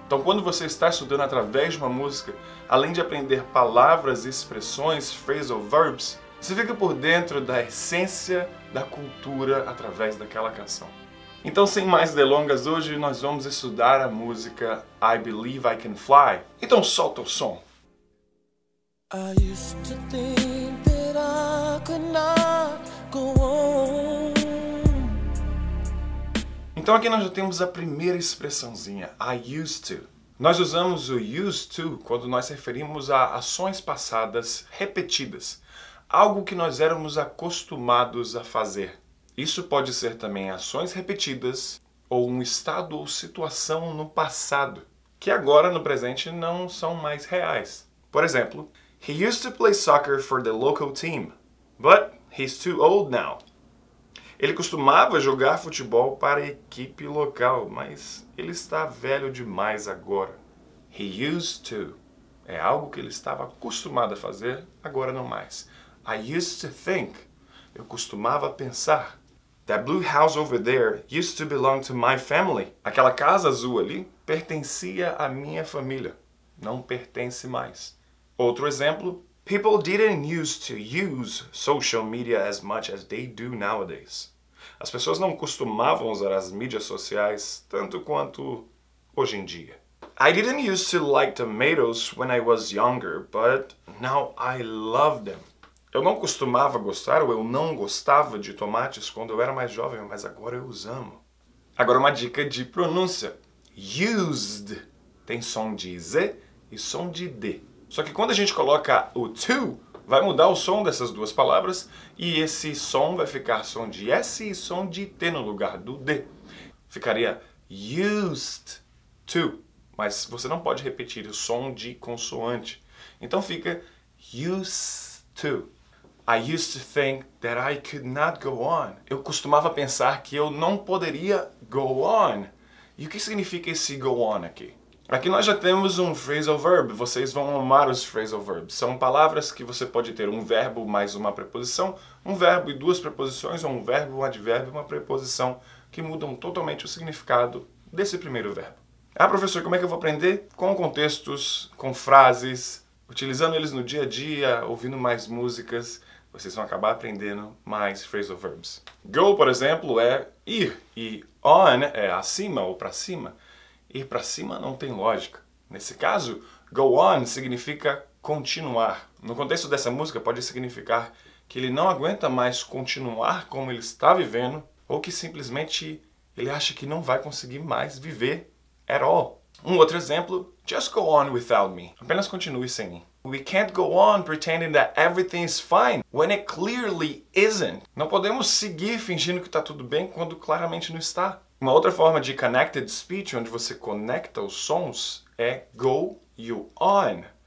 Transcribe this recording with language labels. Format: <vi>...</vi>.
<pt>Então quando você está estudando através de uma música, além de aprender palavras, expressões, phrasal verbs, você fica por dentro da essência da cultura através daquela canção. Então, sem mais delongas, hoje nós vamos estudar a música I Believe I Can Fly. Então, solta o som.</pt> <en>I used to think that I could not go on.</en> <pt>Então, aqui nós já temos a primeira expressãozinha, I used to. Nós usamos o used to quando nós referimos a ações passadas repetidas. Algo que nós éramos acostumados a fazer. Isso pode ser também ações repetidas ou um estado ou situação no passado, que agora, no presente, não são mais reais. Por exemplo,</pt> <en>He used to play soccer for the local team, but he's too old now.</en> <pt>Ele costumava jogar futebol para a equipe local, mas ele está velho demais agora.</pt> <en>He used to.</en> <pt>É algo que ele estava acostumado a fazer, agora não mais.</pt> <en>I used to think.</en> <pt>Eu costumava pensar.</pt> <en>That blue house over there used to belong to my family.</en> <pt>Aquela casa azul ali pertencia à minha família. Não pertence mais. Outro exemplo.</pt> <en>People didn't used to use social media as much as they do nowadays.</en> <pt>As pessoas não costumavam usar as mídias sociais tanto quanto hoje em dia.</pt> <en>I didn't used to like tomatoes when I was younger, but now I love them.</en> <pt>Eu não costumava gostar, ou eu não gostava de tomates quando eu era mais jovem, mas agora eu os amo. Agora uma dica de pronúncia. Used tem som de Z e som de D. Só que quando a gente coloca o to, vai mudar o som dessas duas palavras e esse som vai ficar som de S e som de T no lugar do D. Ficaria used to, mas você não pode repetir o som de consoante. Então fica used. Two.</pt> <en>I used to think that I could not go on.</en> <pt>Eu costumava pensar que eu não poderia go on. E o que significa esse go on aqui? Aqui nós já temos um phrasal verb. Vocês vão amar os phrasal verbs. São palavras que você pode ter um verbo mais uma preposição, um verbo e duas preposições, ou um verbo, um advérbio e uma preposição, que mudam totalmente o significado desse primeiro verbo. Ah, professor, como é que eu vou aprender? Com contextos, com frases, utilizando eles no dia a dia, ouvindo mais músicas, vocês vão acabar aprendendo mais phrasal verbs. Go, por exemplo, é ir. E on é acima ou pra cima. Ir pra cima não tem lógica. Nesse caso, go on significa continuar. No contexto dessa música, pode significar que ele não aguenta mais continuar como ele está vivendo ou que simplesmente ele acha que não vai conseguir mais viver at all. Um outro exemplo,</pt> <en>just go on without me.</en> <pt>Apenas continue sem mim.</pt> <en>We can't go on pretending that everything is fine when it clearly isn't.</en> <pt>Não podemos seguir fingindo que está tudo bem quando claramente não está. Uma outra forma de connected speech, onde você conecta os sons, é go you on.</pt>